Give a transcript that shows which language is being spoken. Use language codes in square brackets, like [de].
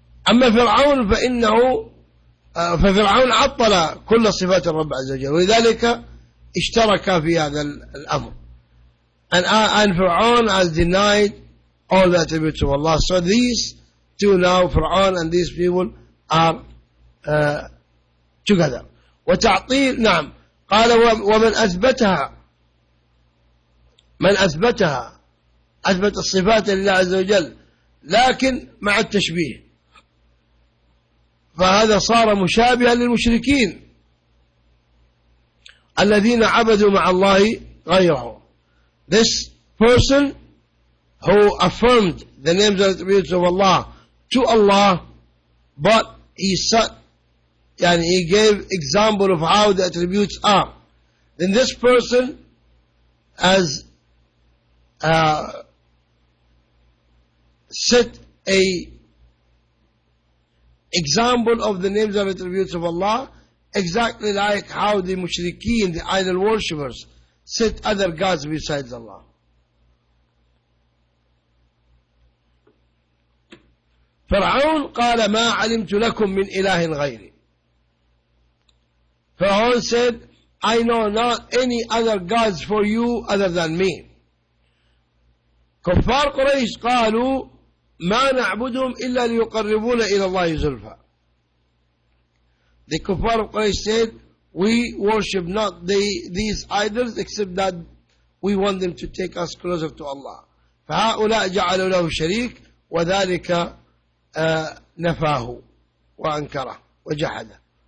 [ar] أما فرعون فإنه ففرعون عطل كل صفات الرب عز وجل, ولذلك اشترك في هذا الأمر. [en] And فرعون has denied all the attributes of Allah. So these two now, Fir'aun and these people, are together. [ar] وتعطيل, نعم, قال ومن أثبتها, من أثبتها, أثبت الصفات لله عز وجل لكن مع التشبيه, فهذا صار مشابها للمشركين الذين عبدوا مع الله غيره. [en] This person who affirmed the names and attributes of Allah to Allah, but he said, and he gave example of how the attributes are, then this person has set a example of the names and attributes of Allah, exactly like how the mushrikeen, the idol worshippers, set other gods besides Allah. [ar] Fir'aun قال ما علمت لكم من إله غيري. [en] Fir'aun said, I know not any other gods for you other than me. [ar] كفار قريش قالوا ما نعبدهم إلا ليقربونا إلى الله زلفى. [en] The kuffar of Quraysh said, we worship not these idols except that we want them to take us closer to Allah. [ar] فهؤلاء جعلوا له شريك وذلك نفاه وأنكره وجحده.